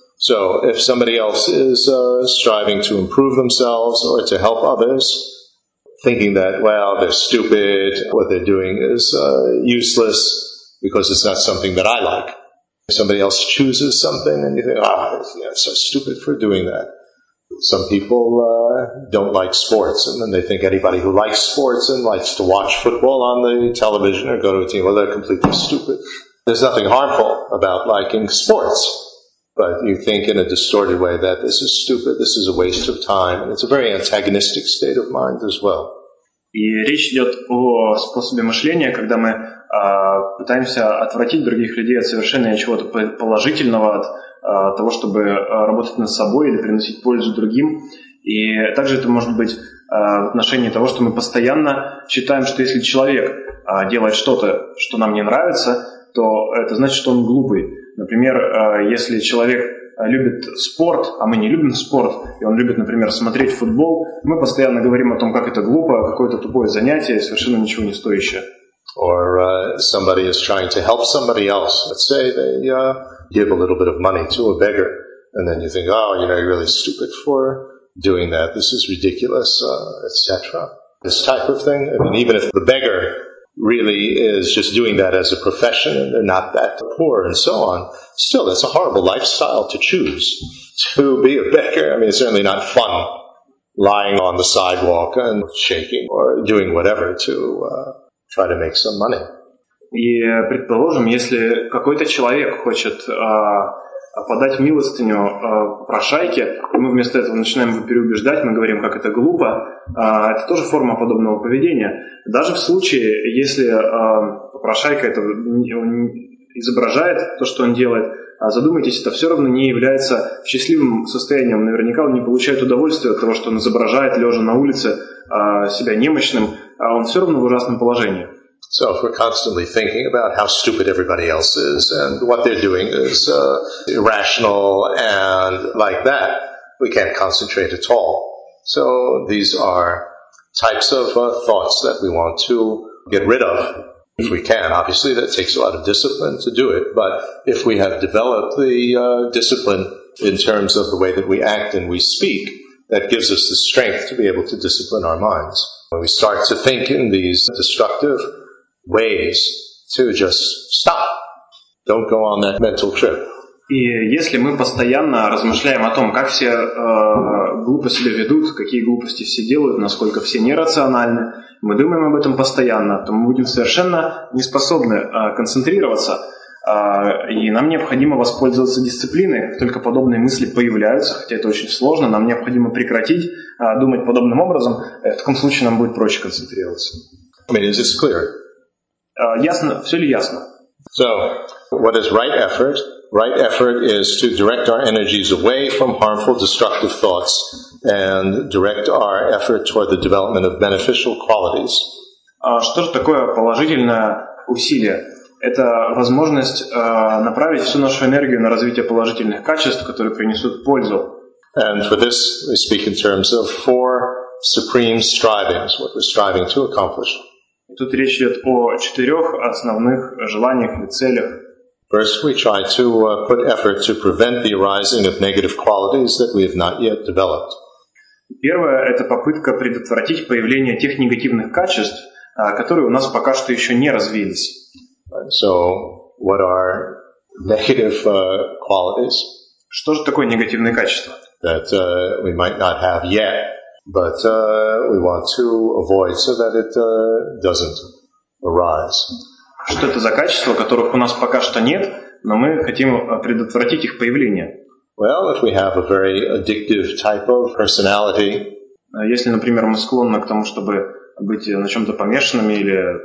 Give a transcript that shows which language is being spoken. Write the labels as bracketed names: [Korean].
[English] So, if somebody else is striving to improve themselves or to help others, thinking that, well, they're stupid, what they're doing is useless because it's not something that I like. If somebody else chooses something and you think, ah, yeah, so stupid for doing that. Some people don't like sports, and then they think anybody who likes sports and likes to watch football on the television or go to a team, well, they're completely stupid. There's nothing harmful about liking sports. But you think in a distorted way that this is stupid, this is a waste of time. It's a very antagonistic state of mind as well. [Russian] И речь идет о способе мышления, когда мы пытаемся отвратить других людей от совершения чего-то положительного, от того, чтобы работать над собой или приносить пользу другим. И также это может быть в отношении того, что мы постоянно считаем, что если человек делает что-то, что нам не нравится, то это значит, что он глупый. Например, если человек любит спорт, а мы не любим спорт, и он любит, например, смотреть футбол, мы постоянно говорим о том, как это глупо, какое-то тупое занятие, совершенно ничего не стоящее. [English] Or somebody is trying to help somebody else. Let's say they give a little bit of money to a beggar, and then you think, oh, you know, you're really stupid for doing that. This is ridiculous, etc. This type of thing. I mean, even if the beggar really is just doing that as a profession and they're not that poor and so on, still that's a horrible lifestyle to choose to be a beggar. I mean, it's certainly not fun lying on the sidewalk and shaking or doing whatever to try to make some money. [Russian] И предположим, если какой-то человек хочет подать милостыню попрошайке, мы вместо этого начинаем его переубеждать, мы говорим, как это глупо, это тоже форма подобного поведения. Даже в случае, если попрошайка это изображает, то, что он делает, задумайтесь, это все равно не является счастливым состоянием. Наверняка он не получает удовольствия от того, что он изображает, лежа на улице, себя немощным, а он все равно в ужасном положении. [English] So if we're constantly thinking about how stupid everybody else is and what they're doing is irrational and like that, we can't concentrate at all. So these are types of thoughts that we want to get rid of if we can. Obviously, that takes a lot of discipline to do it, but if we have developed the discipline in terms of the way that we act and we speak, that gives us the strength to be able to discipline our minds. When we start to think in these destructive ways to just stop. Don't go on that mental trip. [Russian] И если мы постоянно размышляем о том, как все глупо себя ведут, какие глупости все делают, насколько все нерациональны, мы думаем об этом постоянно, то мы будем совершенно не способны концентрироваться. И нам необходимо воспользоваться дисциплиной. Как только подобные мысли появляются, хотя это очень сложно, нам необходимо прекратить думать подобным образом, в таком случае нам будет проще концентрироваться. [English] I mean, is this clear? [Russian] Ясно, все ли ясно? [English] So, what is right effort? Right effort is to direct our energies away from harmful, destructive thoughts and direct our effort toward the development of beneficial qualities. [Russian] Что же такое положительное усилие? Это возможность направить всю нашу энергию на развитие положительных качеств, которые принесут пользу. [English] And for this, we speak in terms of four supreme strivings, what we're striving to accomplish. [Russian] Тут речь идет о четырех основных желаниях или целях. [English] First, we try to put effort to prevent the arising of negative qualities that we have not yet developed. [Russian] Первое – это попытка предотвратить появление тех негативных качеств, которые у нас пока что еще не развились. [English] So, what are negative qualities? [Russian] Что же такое негативные качества? [English] That we might not have yet. But we want to avoid so that it doesn't arise. [Russian] Что это за качества, которых у нас пока что нет, но мы хотим предотвратить их появление? [English] Well, if we have a very addictive type of personality. [Russian] Если, например, мы склонны к тому, чтобы быть на чем-то помешанными или